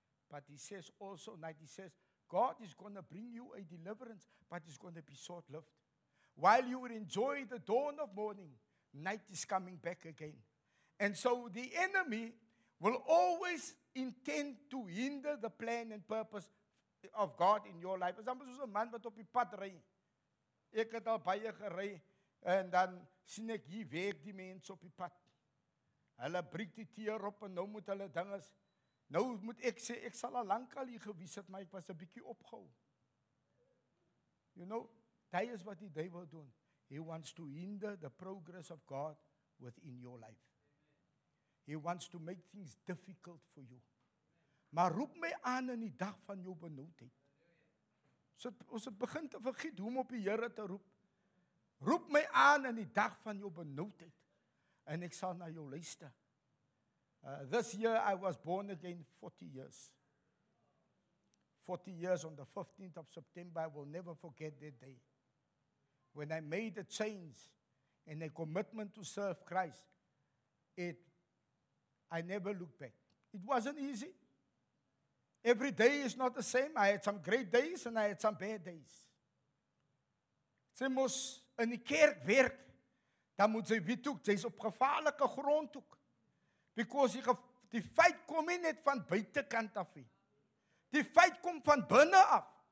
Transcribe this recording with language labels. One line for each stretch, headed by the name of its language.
English: But he says also, night, he says, God is going to bring you a deliverance, but it's going to be short-lived. While you will enjoy the dawn of morning, night is coming back again. And so the enemy will always intend to hinder the plan and purpose of God in your life.
Afrikaans: Soms is 'n man wat op die pad ry. Ek het al baie gery en dan sien ek hier werk die mense op die pad. Hulle breek die teer op en nou moet hulle dinges. Nou moet ek sê ek sal al lank al hier gewees het, maar ek was 'n bietjie opgehou.
English: You know, that is what the devil doen. He wants to hinder the progress of God within your life. He wants to make things difficult for you.
Afrikaans: Maar roep my aan in die dag van jou benoudheid. Ons het begin te vergiet hoe om op die Here te roep. Roep my aan in die dag van jou benoudheid. En ek sal na jou luister.
English: This year I was born again 40 years. 40 years on the 15th of September. I will never forget that day. When I made a change and a commitment to serve Christ, I never looked back. It wasn't easy. Every day is not the same. I had some great days and I had some bad days.
Afrikaans: Sy moes in die kerk werk, dan moet sy weet ook, sy is op gevaarlike grond ook. Because die feit kom nie net van buitenkant af. Die feit kom van binnen af.